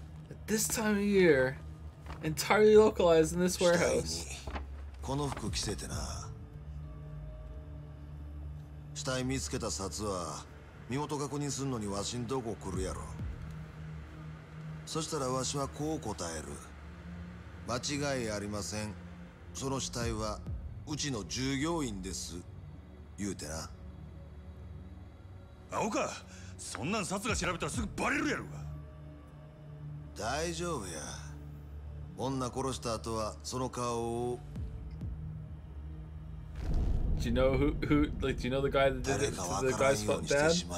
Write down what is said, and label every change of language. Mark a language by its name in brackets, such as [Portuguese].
[English] At this time of year, entirely localized in this warehouse. [Japanese] この服着せてな。死体見つけた札は身元確認するのにわしんどこ来るやろ。そしたらわしはこう答える。間違いありません。その死体はうちの従業員です。言うてな。アホか。そんなん札が調べたらすぐバレるやろが。大丈夫や。女殺した後はその顔を。 [English] Do you know who, like, do you know the guy that did it to the guy's dad?